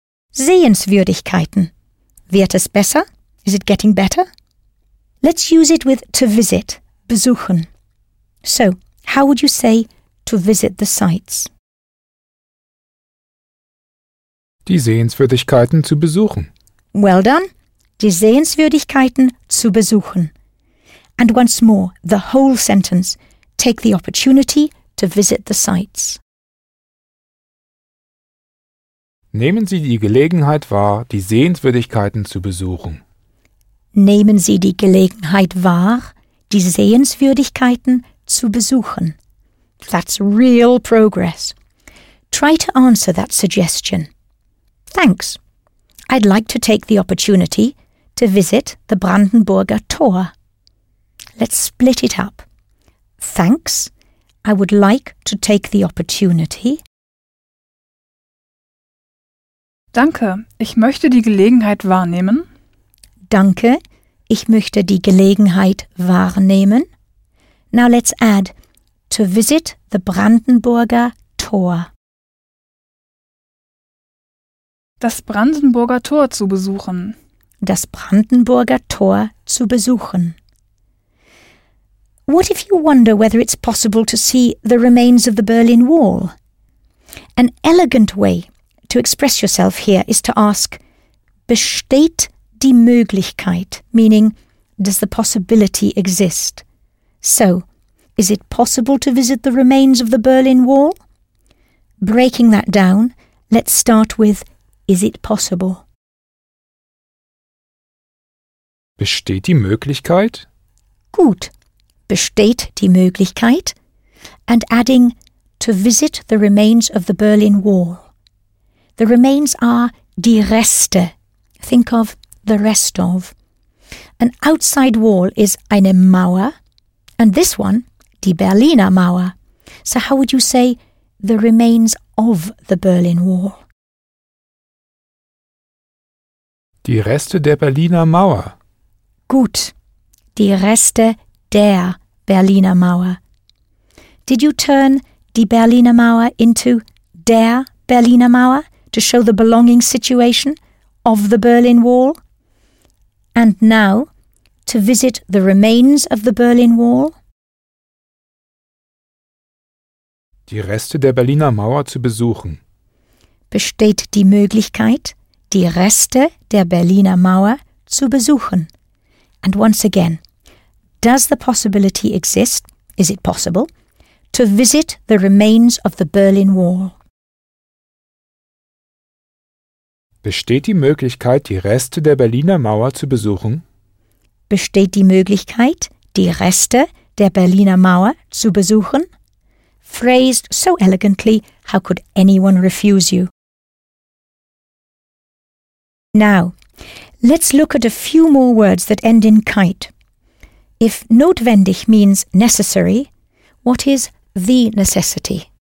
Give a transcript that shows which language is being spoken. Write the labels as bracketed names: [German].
[German] Sehenswürdigkeiten. Wird es besser? [English] Is it getting better? Let's use it with to visit, besuchen. So, how would you say to visit the sights? [German] Die Sehenswürdigkeiten zu besuchen. [English] Well done. [German] Die Sehenswürdigkeiten zu besuchen. [English] And once more, the whole sentence. Take the opportunity to visit the sights. [German] Nehmen Sie die Gelegenheit wahr, die Sehenswürdigkeiten zu besuchen. Nehmen Sie die Gelegenheit wahr, die Sehenswürdigkeiten zu besuchen. [English] That's real progress. Try to answer that suggestion. Thanks. I'd like to take the opportunity to visit the Brandenburger Tor. Let's split it up. Thanks. I would like to take the opportunity. [German] Danke. Ich möchte die Gelegenheit wahrnehmen. Danke. Ich möchte die Gelegenheit wahrnehmen. [English] Now let's add, to visit the Brandenburger Tor. [German] Das Brandenburger Tor zu besuchen. Das Brandenburger Tor zu besuchen. [English] What if you wonder whether it's possible to see the remains of the Berlin Wall? An elegant way to express yourself here is to ask, [German] besteht die Möglichkeit, [English] meaning, does the possibility exist? So, is it possible to visit the remains of the Berlin Wall? Breaking that down, let's start with, is it possible? [German] Besteht die Möglichkeit? Gut. Besteht die Möglichkeit? [English] And adding, to visit the remains of the Berlin Wall. The remains are die Reste. Think of the rest of. An outside wall is eine Mauer, and this one, die Berliner Mauer. So how would you say the remains of the Berlin Wall? [German] Die Reste der Berliner Mauer. Gut. Die Reste der Berliner Mauer. [English] Did you turn die Berliner Mauer into der Berliner Mauer to show the belonging situation of the Berlin Wall? And now, to visit the remains of the Berlin Wall? [German] Die Reste der Berliner Mauer zu besuchen. Besteht die Möglichkeit, die Reste der Berliner Mauer zu besuchen? [English] And once again, does the possibility exist, is it possible, to visit the remains of the Berlin Wall? [German] Besteht die Möglichkeit, die Reste der Berliner Mauer zu besuchen? Besteht die Möglichkeit, die Reste der Berliner Mauer zu besuchen? [English] Phrased so elegantly, how could anyone refuse you? Now, let's look at a few more words that end in kite. If notwendig means necessary, what is the necessity?